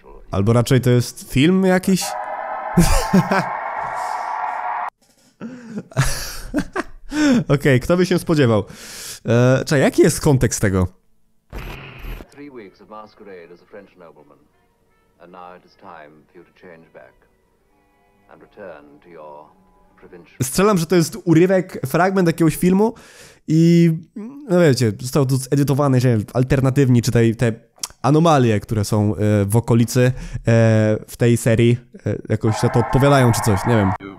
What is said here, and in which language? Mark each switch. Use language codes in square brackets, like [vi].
[pl] Albo raczej to jest film jakiś? Okej, kto by się spodziewał? Czekaj, jaki jest kontekst tego? [en] Three weeks of masquerade as a French nobleman. And now it is time for you to change back and return to your provincial. [pl] Strzelam, że to jest urywek, fragment jakiegoś filmu i no wiecie, został tu zedytowany, nie wiem, alternatywni czy te anomalie, które są w okolicy w tej serii, jakoś na to odpowiadają czy coś, nie wiem.